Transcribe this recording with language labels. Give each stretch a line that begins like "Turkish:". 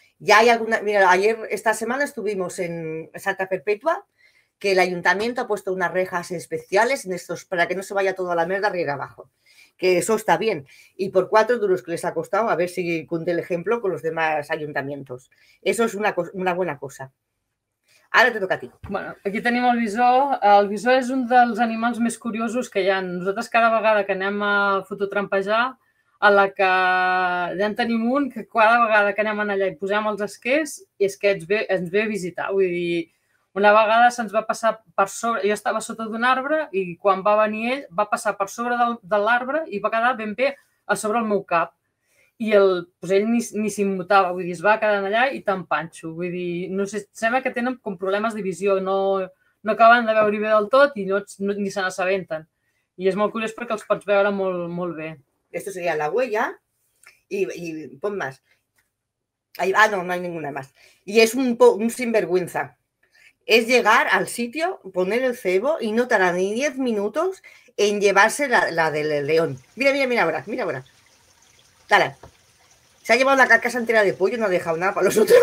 Spanish: Ya hay alguna, mira, ayer, esta semana estuvimos en Santa Perpetua, que el ayuntamiento ha puesto unas rejas especiales en estos, para que no se vaya toda la merda riera abajo. Que eso está bien. Y por 4 duros que les ha costado, a ver si cunde el ejemplo con los demás ayuntamientos. Eso es una buena cosa. Ara te toca a ti.
Catalan: Bueno, aquí tenim el bisó. El bisó és un dels animals més curiosos que hi ha. Nosaltres cada vegada que anem a fototrampejar, a la que ja en tenim un, que cada vegada que anem allà i posem els esquers, és que ens ve a visitar. Vull dir, una vegada se'ns va passar per sobre, jo estava sota d'un arbre i quan va venir ell va passar per sobre de l'arbre i va quedar ben bé a sobre el meu cap. I el, doncs ell ni s'immutava, vull dir, es va quedant allà i tan panxo. Vull dir, no sé, sembla que tenen com problemes de visió, no acaben de veure bé del tot i no, ni se n'assabenten. I és molt curiós perquè els pots veure molt, molt bé.
Spanish: Esto seria la huella i pon más. Ahí, ah, no, no hay ninguna más. I és un sinvergüenza. Es llegar al sitio, poner el cebo y no tardar ni 10 minutos en llevarse la del león. Mira, mira, mira ahora, mira ahora. Dale, se ha llevado la carcasa entera de pollo, no ha dejado nada para los otros.